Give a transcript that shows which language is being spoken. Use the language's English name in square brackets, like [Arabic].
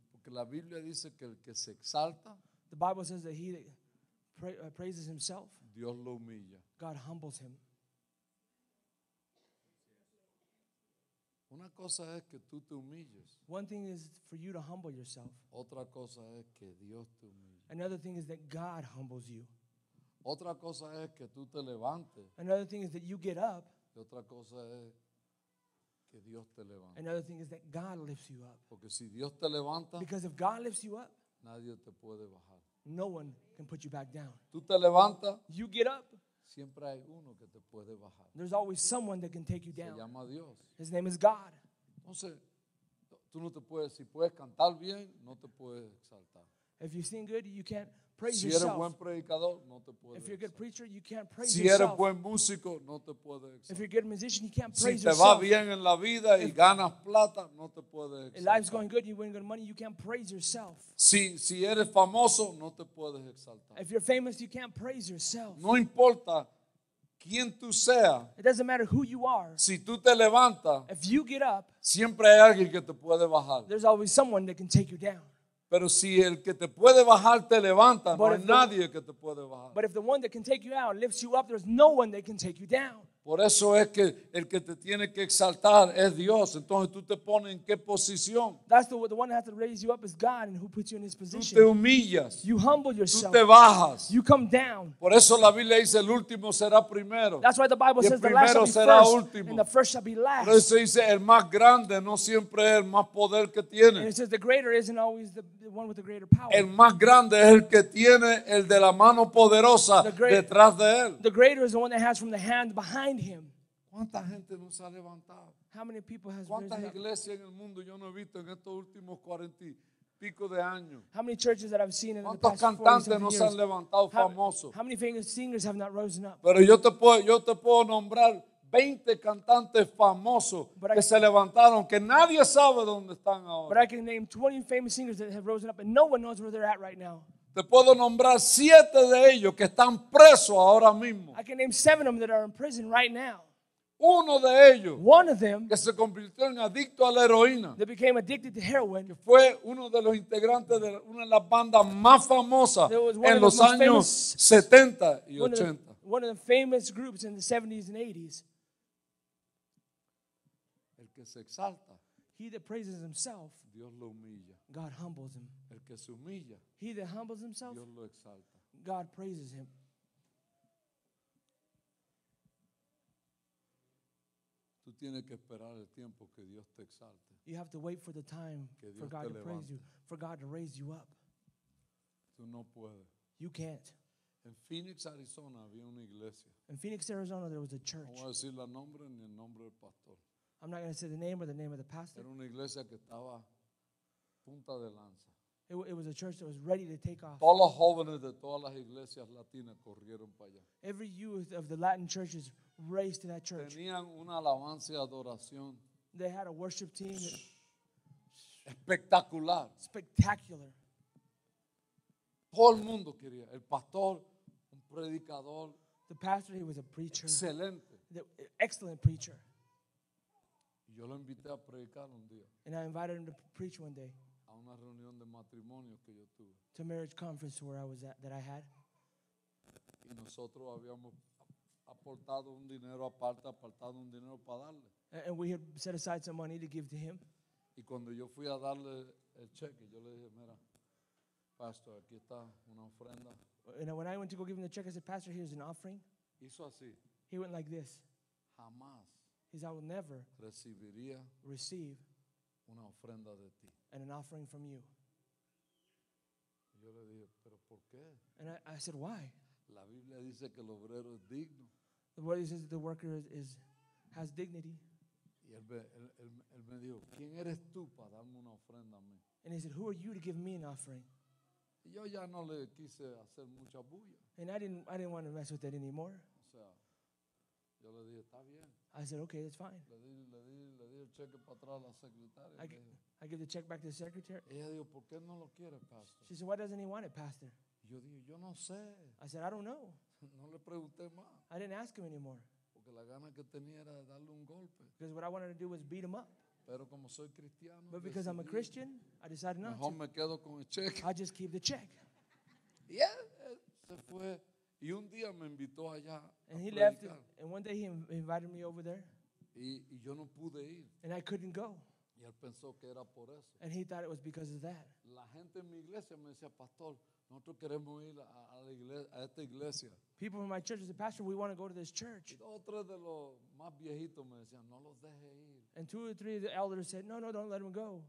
[Spanish] Porque la Biblia dice que el que se exalta, [English] the Bible says that he that praises himself, [Spanish] Dios lo humilla. [English] God humbles him. [Spanish] Una cosa es que tú te humilles. [English] One thing is for you to humble yourself. [Spanish] Otra cosa es que Dios te humille. [English] Another thing is that God humbles you. [Spanish] Otra cosa es que tú te levantes. [English] Another thing is that you get up. [Spanish] Y otra cosa es que Dios te levanta. [English] Another thing is that God lifts you up. [Spanish] Porque si Dios te levanta, [English] because if God lifts you up, [Spanish] nadie te puede bajar. [English] No one can put you back down. [Spanish] Tú te levantas, [English] you get up, [Spanish] siempre hay uno que te puede bajar. [English] There's always someone that can take you down. [Spanish] Se llama Dios. [English] His name is God. [Spanish] Entonces, tú no te puedes, si puedes cantar bien, no te puedes exaltar. [English] If you sing good, you can't praise [Spanish] si [English] yourself. [Spanish] Eres buen predicador, no te puedes [English] if you're a good preacher, you can't praise [Spanish] si [English] yourself. [Spanish] Eres buen músico, no te puedes exaltar. [English] If you're a good musician, you can't praise [Spanish] si te [English] yourself. [Spanish] Va bien en la vida y ganas plata, no te puedes exaltar. [English] If life's going good, you win good money, you can't praise yourself. [Spanish] Si eres famoso, no te puedes exaltar. [English] If you're famous, you can't praise yourself. [Spanish] No importa quién tú sea. [English] It doesn't matter who you are. [Spanish] Si tú te levantas, [English] if you get up, [Spanish] siempre hay alguien que te puede bajar. [English] There's always someone that can take you down. [Spanish] Pero si el que te puede bajar te levanta, no hay nadie que te puede bajar. [English] But if the one that can take you out lifts you up, there's no one that can take you down. [Spanish] Por eso es que el que te tiene que exaltar es Dios. Entonces tú te pones en qué posición. [English] That's the one that has to raise you up is God and who puts you in his position. [Spanish] Tú te humillas. [English] You humble yourself. [Spanish] Tú te bajas. [English] You come down. [Spanish] Por eso la Biblia dice el último será primero. [English] That's why the Bible says the last [Spanish] primero [English] shall be [Spanish] será [English] first, [Spanish] último. [English] And the first shall be last. [Spanish] Por eso dice el más grande no siempre es el más poder que tiene. [English] And it says the greater isn't always the one with the greater power. [Spanish] El más grande es el que tiene el de la mano poderosa detrás de él. [English] The greater is the one that has from the hand behind him. [Spanish] ¿Cuánta gente nos ha levantado? [English] How many people has [Spanish] ¿Cuántas iglesias en el mundo yo no he visto en estos últimos 40 y pico de años? [English] How many churches that I've seen in the past 40 [Spanish] ¿Cuántos cantantes nos han levantado famosos? [English] How many famous singers have not risen up? [Spanish] Pero yo te puedo nombrar 20 cantantes famosos que se levantaron que nadie sabe dónde están ahora. [English] But I can name 20 famous singers that have risen up and no one knows where they're at right now. [Spanish] Te puedo nombrar 7 de ellos que están presos ahora mismo. [English] I can name 7 of them that are in prison right now. [Spanish] Uno de ellos, [English] one of them, [Spanish] que se convirtió en adicto a la heroína, [English] that became addicted to heroin, [Spanish] que fue uno de los integrantes de una de las bandas más famosas en los años 70 y 80. [English] One of the famous groups in the 70s and 80s. [Spanish] El que se exalta, [English] he that praises himself, [Spanish] Dios lo humilla. [English] God humbles him. [Spanish] El que se humilla, [English] he that humbles himself, [Spanish] Dios lo exalta. [English] God praises him. [Spanish] Tú tienes que esperar el tiempo que Dios te exalte. [English] You have to wait for the time for God to praise you, for God to raise you up. [Spanish] Tú no puedes. [English] You can't. [Spanish] En Phoenix, Arizona, había una iglesia. [English] In Phoenix, Arizona, there was a church. [Spanish] No voy a decir el nombre ni el nombre del pastor. [English] I'm not going to say the name or the name of the pastor. [Spanish] Era una iglesia que estaba punta de lanza. [English] It was a church that was ready to take off. [Spanish] Todos los jóvenes de todas las iglesias latinas corrieron para allá. [English] Every youth of the Latin churches raced to that church. [Spanish] Tenían una alabanza y adoración. [English] They had a worship team. [Spanish] Espectacular. [English] Spectacular. [Spanish] Todo el mundo quería. El pastor, un predicador. [English] The pastor, he was a preacher. [Spanish] Excelente. [English] The excellent preacher. [Spanish] Yo lo invité a predicar un día. [English] And I invited him to preach one day. [Spanish] A una reunión de matrimonio que yo tuve. [English] To a marriage conference where I was at, that I had. [Spanish] Y nosotros habíamos aportado un dinero aparte, apartado un dinero para darle. [English] And we had set aside some money to give to him. [Spanish] Y cuando yo fui a darle el cheque, yo le dije, mira, pastor, aquí está una ofrenda. [English] And when I went to go give him the check, I said, pastor, here's an offering. [Spanish] Hizo así. [English] He went like this. [Spanish] Jamás. [English] He said, I will never [Spanish] recibiría [English] receive [Spanish] una ofrenda de ti. [English] And an offering from you. [Spanish] Yo le dije, ¿pero por qué? [English] And I said, why? [Spanish] La Biblia dice que el obrero es digno. [English] The word says that the worker is has dignity. [Spanish] Y él me dijo, ¿quién eres tú para darme una ofrenda a mí? [English] And he said, who are you to give me an offering? [Spanish] Y yo ya no le quise hacer mucha bulla. [English] And I didn't want to mess with it anymore. [Spanish] O sea, yo le dije, está bien. [English] I said, okay, that's fine. [Spanish] Le di el cheque para atrás a la secretaria. [English] I give the check back to the secretary. [Spanish] Ella dijo, ¿por qué no lo quiere, pastor? [English] She said, why doesn't he want it, pastor? [Spanish] Yo dije, yo no sé. [English] I said, I don't know. [Spanish] No le pregunté más. [English] I didn't ask him anymore. [Spanish] Porque la gana que tenía era darle un golpe. [English] Because what I wanted to do was beat him up. [Spanish] Pero como soy cristiano, [English] but because [Spanish] decidí, [English] I'm a Christian, I decided not [Spanish] mejor [English] to. [Spanish] Me quedo con el cheque. [English] I just keep the check. [Spanish] Yeah, se fue. Y un día me invitó allá [English] and [Spanish] a [English] he [Spanish] predicar. [English] Left, and one day he invited me over there. [Spanish] Y yo no pude ir. [English] And I couldn't go. [Spanish] Y él pensó que era por eso. [English] And he thought it was because of that. [Spanish] La gente en mi iglesia me decía, pastor, nosotros queremos ir a esta iglesia. [English] People in my church said, pastor, we want to go to this church. [Spanish] Y dos o tres de los más viejitos me decían, no los deje ir. [English] And two or three of the elders said, no, don't let him go.